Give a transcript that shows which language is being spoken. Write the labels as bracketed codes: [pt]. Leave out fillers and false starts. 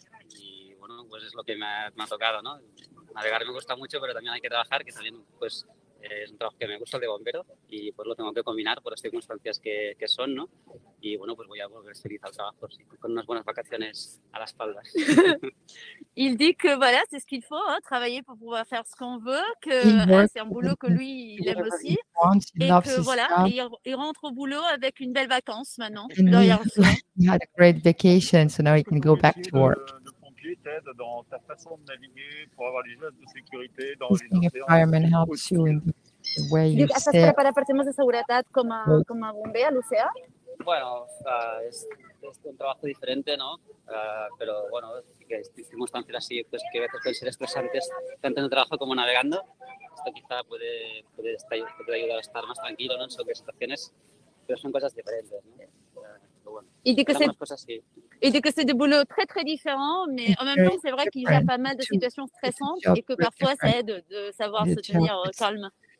[es] Y bueno, pues es lo que me ha tocado, ¿no? Navegar me gusta mucho, pero también hay que trabajar, que también pues es un trabajo que me gusta, el de bombero, y pues lo tengo que combinar por las circunstancias que son, ¿no? Y bueno, pues voy a volver feliz al trabajo, sí, con unas buenas vacaciones a la espalda. [fr] Il dit que voilà, c'est ce qu'il faut, hein, travailler pour pouvoir faire ce qu'on veut, que c'est un boulot que lui, il aime aussi, il rentre au boulot avec une belle vacance maintenant, derrière. [en] He had a great vacation, so now he can go back to work. Being a fireman helps you in the way you stay. [ca] Estàs preparat per temes de seguretat com a bomber a l'oceà? [es] Bueno, es un trabajo diferente, ¿no? Pero bueno, que hay circunstancias así, pues que a veces pueden ser estresantes tanto en el trabajo como navegando. esto quizá puede, puede ayudar a estar más tranquilo, ¿no? En ciertas situaciones, pero son cosas diferentes, ¿no? [fr] Il dit que c'est des boulots très très différents, mais en même temps c'est vrai qu'il y a pas mal de situations stressantes et que parfois ça aide de savoir se tenir calme.